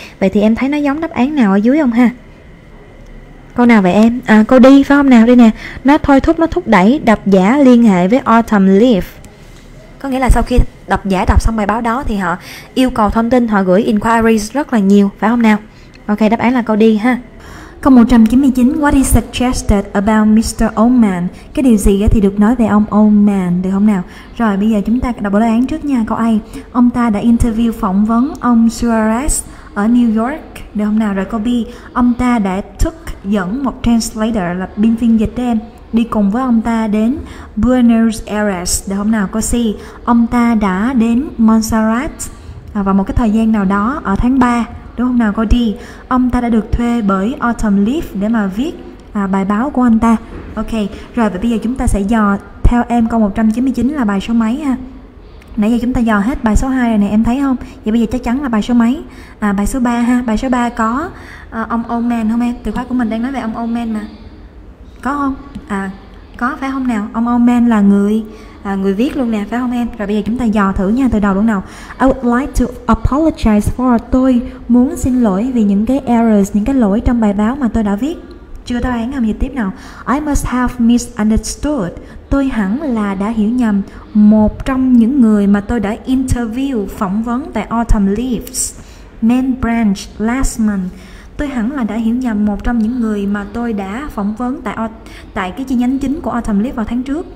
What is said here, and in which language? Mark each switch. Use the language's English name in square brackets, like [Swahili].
[Vietnamese] Vậy thì em thấy nó giống đáp án nào ở dưới không ha? Câu nào vậy em? Câu đi phải không nào? Đây nè, nó thôi thúc, nó thúc đẩy độc giả liên hệ với autumn leaf, có nghĩa là sau khi độc giả đọc xong bài báo đó thì họ yêu cầu thông tin, họ gửi inquiries rất là nhiều, phải không nào? Ok, đáp án là câu đi ha. Câu 199, [English] what is suggested about Mr. Oldman? [Vietnamese] Cái điều gì thì được nói về ông Oldman, được không nào? Rồi, bây giờ chúng ta đọc bộ đáp án trước nha. Câu A, ông ta đã interview, phỏng vấn ông Suarez ở New York, được không nào? Rồi câu B, ông ta đã took, dẫn một translator là biên phiên dịch đó em, đi cùng với ông ta đến Buenos Aires, được không nào? Câu C, ông ta đã đến Montserrat vào một cái thời gian nào đó ở tháng 3, đúng không nào? Câu D, ông ta đã được thuê bởi Autumn Leaf để mà viết bài báo của anh ta. Ok, rồi và bây giờ chúng ta sẽ dò theo em câu 199 là bài số mấy ha. Nãy giờ chúng ta dò hết bài số 2 rồi nè, em thấy không? Vậy bây giờ chắc chắn là bài số mấy? Bài số 3 ha. Bài số 3 có ông Oldman không em? Từ khóa của mình đang nói về ông Oldman mà. Có không? Có phải không nào? Ông Oldman là người người viết luôn nè, phải không em? Rồi bây giờ chúng ta dò thử nha, từ đầu luôn nào. [English] I would like to apologize for, [Vietnamese] tôi muốn xin lỗi vì những cái errors, những cái lỗi trong bài báo mà tôi đã viết. Chưa đáp án hàm dịch tiếp nào. [English] I must have misunderstood. [Vietnamese] Tôi hẳn là đã hiểu nhầm một trong những người mà tôi đã interview, phỏng vấn tại Autumn Leaves, [English] Main Branch, last month. [Vietnamese] Tôi hẳn là đã hiểu nhầm một trong những người mà tôi đã phỏng vấn tại cái chi nhánh chính của Autumn Leaves vào tháng trước.